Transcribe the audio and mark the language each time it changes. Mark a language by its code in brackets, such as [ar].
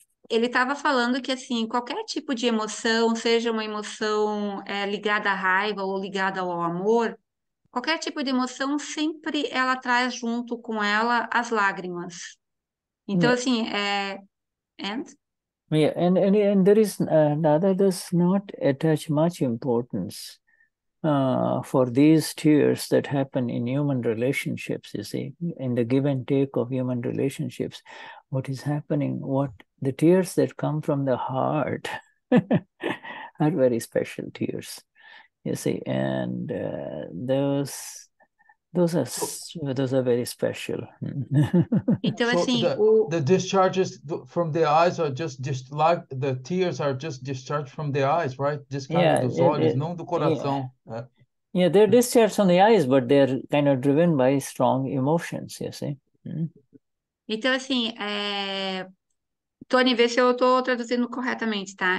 [pt] Ele estava falando que, assim, qualquer tipo de emoção, seja uma emoção ligada à raiva ou ligada ao amor, qualquer tipo de emoção, sempre ela traz junto com ela as lágrimas. Então, assim, [en] And there is, Dada does not attach much importance for these tears that happen in human relationships, you see, in the give and take of human relationships. What is happening, what the tears that come from the heart are very special tears, you see, and those are very special. [pt] Então, assim, [en] the discharges from the eyes are just like the tears are just discharged from the eyes, right? Yeah, they're discharged from the eyes, but they're kind of driven by strong emotions, you see. [pt] Então, assim, Tony, vê se eu estou traduzindo corretamente, tá?